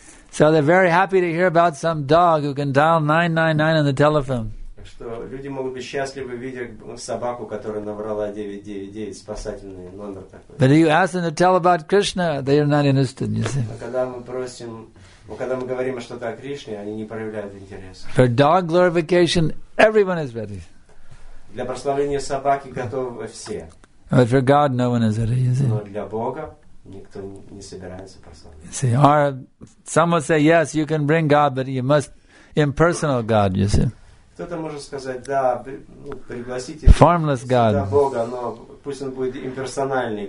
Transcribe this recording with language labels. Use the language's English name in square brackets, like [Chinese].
[English] So they're very happy to hear about some dog who can dial 999 on the telephone. [Russian] Что люди могут быть счастливы, видя собаку, которая набрала 999, спасательный номер такой. [English] But if you ask them to tell about Krishna, they are not interested, you see. [Russian] Когда мы говорим что-то о Кришне, они не проявляют интереса. [English] For dog glorification, everyone is ready. [Russian] Для прославления собаки готовы все. [English] But for God, no one is ready, you see. [Russian] Но для Бога никто не собирается прославлять. [English] See, or some will say, yes, you can bring God, but you must impersonal God, you see. [Russian] Кто-то может сказать, да, пригласите [English] Formless God. [Russian] Бога, но пусть он будет имперсональный.